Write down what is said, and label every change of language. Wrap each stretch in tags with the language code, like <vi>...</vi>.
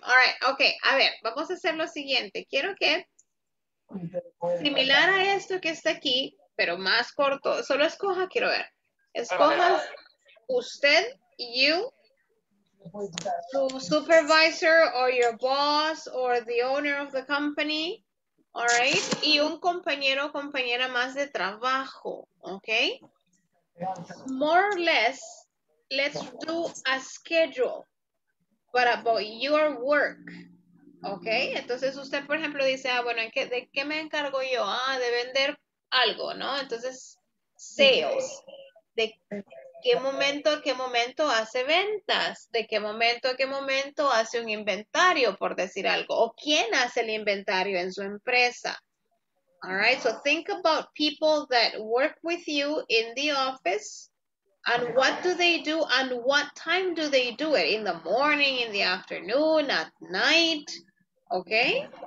<en>All right, okay,</en> <es>a ver, vamos a hacer lo siguiente. Quiero que, similar a esto que está aquí, pero más corto, solo escoja, quiero ver. Escoja usted,</es> <en>you,</en> <es>su supervisor,</es> <en>or your boss, or the owner of the company. All right,</en> <es>y un compañero o compañera más de trabajo, okay?</es> <en>More or less, let's do a schedule, but about your work, okay?</en> <es>Entonces usted, por ejemplo, dice, ah, bueno, ¿de qué me encargo yo? Ah, de vender algo, ¿no? Entonces, sales, ¿de qué momento hace ventas? ¿De qué momento hace un inventario, por decir algo? ¿O quién hace el inventario en su empresa?</es> <en>All right, so think about people that work with you in the office and what do they do and what time do they do it? In the morning, in the afternoon, at night, okay?</en>